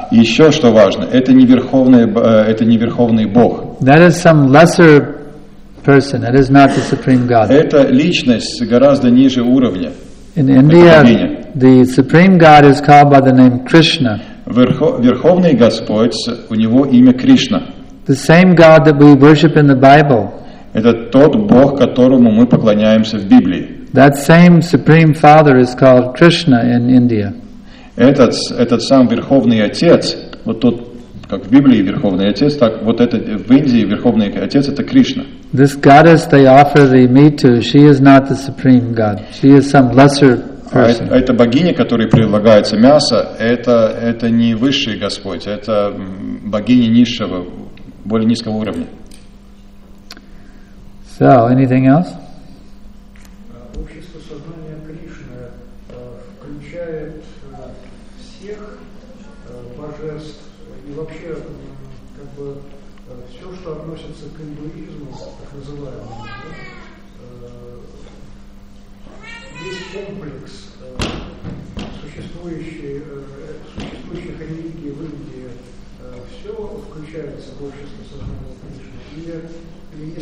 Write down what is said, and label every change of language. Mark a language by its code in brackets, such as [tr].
[ru] Еще что важно, это не верховный Бог. [en] That is some lesser person. It is not the Supreme God. [ru] Это личность гораздо ниже уровня. [en] In India, the Supreme God is called by the name Krishna. [ru] Верховный Господь, у него имя Кришна. [en] The same God that we worship in the Bible. [ru] Это тот Бог, которому мы поклоняемся в Библии. [en] That same Supreme Father is called Krishna in India. [ru] Этот сам Верховный Отец, вот тот, как в Библии Верховный Отец, так вот этот в Индии Верховный Отец это Кришна. [en] This goddess they offer the meat to, she is not the Supreme God. She is some lesser person. [ru] А эта богиня, которой предлагается мясо, это не высший Господь, это богиня низшего, более низкого уровня. [en] So, anything else? [ru] Общество сознания Кришны включает всех божеств и вообще как бы все, что относится к индуизму, так называемому, да, весь комплекс существующих религий в Индии, все включается в общество сознания Кришны.